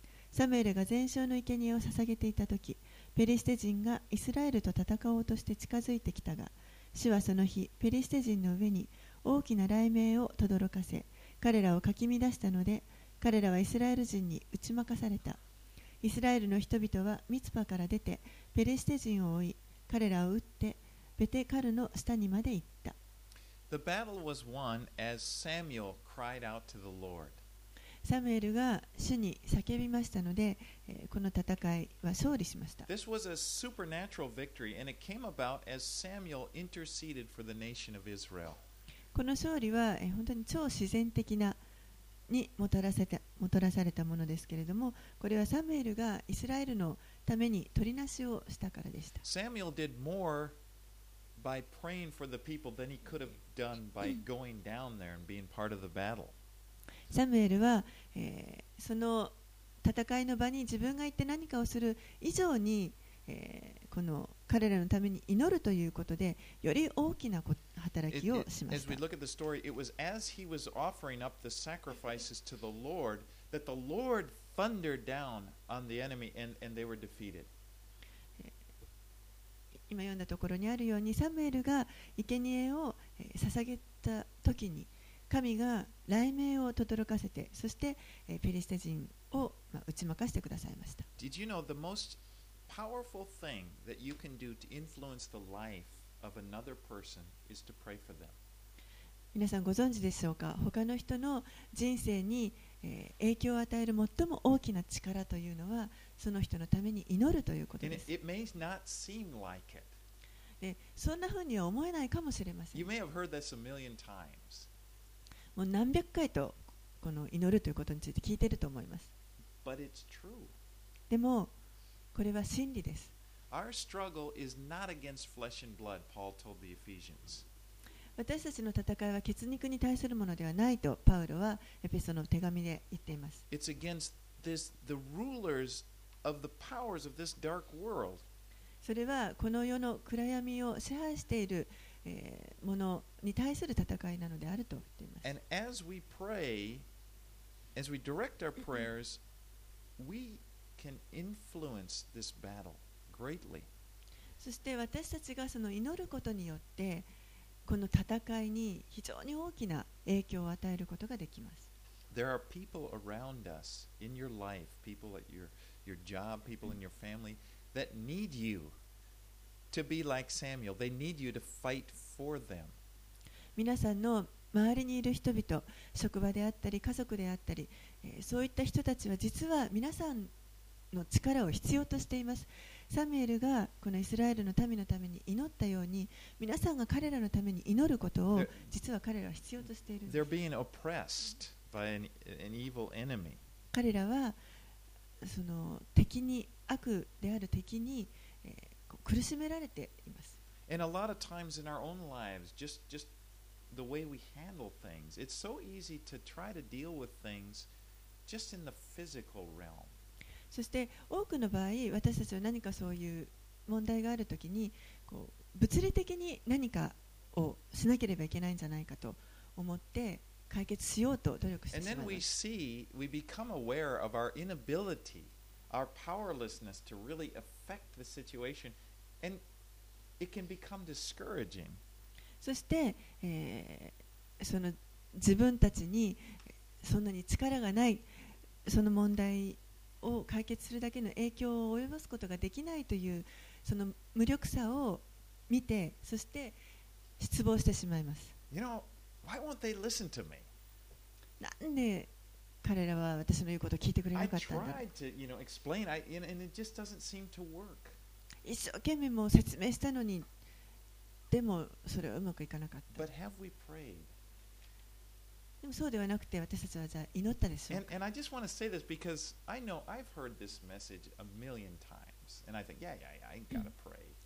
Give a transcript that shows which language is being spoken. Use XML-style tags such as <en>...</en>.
<ja>サムエルが全焼の生贄を捧げていたとき、ペリシテ人がイスラエルと戦おうとして近づいてきたが、主はその日ペリシテ人の上に大きな雷鳴をとどろかせ、彼らをかき乱したので、彼らはイスラエル人に打ち負かされた。イスラエルの人々はミツパから出てペレシテ人を追い、彼らを撃ってベテカルの下にまで行った。</ja> <en>The battle was won as Samuel cried out to the Lord.</en> <ja>サムエルが主に叫びましたので、この戦いは勝利しました。</ja> <en>This was a supernatural victory, and it came about as Samuel interceded for the nation of Israel.</en> <ja>この勝利は、本当に超自然的なにもたらされたものですけれども、これはサムエルがイスラエルのために取りなしをしたからでした。</ja> <en>サムエル did more by praying for the people than he could have done by going down there and being part of the battle.</en> <ja>サムエルは、その戦いの場に自分が行って何かをする以上に、この彼らのために祈るということでより大きな働きをしました。</ja> <en>As we look at the story, it was as he was offering up the sacrifices to the Lord that the Lord thundered down on the enemy and they were defeated.</en> <ja>今読んだところにあるようにサムエルが生贄を捧げた時に神が雷鳴をとどろかせて、そしてペリシテ人を打ち負かしてくださいました。</ja> <en>Did you know the mostpowerful thing that you can do to influence the life of another person is to pray for them.</en> <ja>皆さんご存知でしょうか。他の人の人生に影響を与える最も大きな力というのはその人のために祈るということです。</ja> <en>It may not seem like it.</en> <ja>で、そんな風には思えないかもしれません。</ja> <en>You may have heard this a million times.</en> <ja>もう何百回とこの祈るということについて聞いていると思います。</ja> <en>But it's true.</en> <ja>でもこれは真理です。</ja> <en>Our struggle is not against flesh and blood, Paul told the Ephesians.</en> <ja>私たちの戦いは血肉に対するものではないとパウロはエペソの手紙で言っています。</ja> <en>It's against this, the rulers of the powers of this dark world.</en> <ja>それはこの世の暗闇を支配しているものに対する戦いなのであると言っています。</ja> <en>And as we pray, as we direct our prayers, we can influence this battle greatly.</en> <ja>そして私たちがその祈ることによってこの戦いに非常に大きな影響を与えることができます。</ja> <en>There are people around us in your life, people at your job, people in your family that need you to be like Samuel. They need you to fight for them.</en> <ja>皆さんの周りにいる人々、職場であったり家族であったり、そういった人たちは実は皆さんの力を必要としています。サムエルがこのイスラエルの民のために祈ったように、皆さんが彼らのために祈ることを実は彼らは必要としているんです。</ja> <en>They're being oppressed by an evil enemy.</en> <ja>彼らはその敵に、悪である敵に、苦しめられています。</ja> <en>And a lot of times in our own lives, just the way we handle things, it's so easy to try to deal with things just in the physical realm.</en> <ja>そして多くの場合、私たちは何かそういう問題があるときに、こう物理的に何かをしなければいけないんじゃないかと思って解決しようと努力してしまいます。</ja> <en>And then we see, we become aware of our inability, our powerlessness to really affect the situation, and it can become discouraging.</en> <ja>そして、その自分たちにそんなに力がない、その問題を解決するだけの影響を及ぼすことができないというその無力さを見て、そして失望してしまいます。</ja> <en>You know, why won't they listen to me?</en> <ja>なんで彼らは私の言うことを聞いてくれなかったんだ。</ja> <en>I tried to, you know, explain, and it just doesn't seem to work.</en> <ja>一生懸命も説明したのに、でもそれはうまくいかなかった。</ja> <en>But have we prayed?</en> <ja>でもそうではなくて、私たちはじゃあ祈ったでしょうか。</ja> <en>And I just want to say this because I know I've heard this message a million times. And I think, yeah, I gotta pray.</en>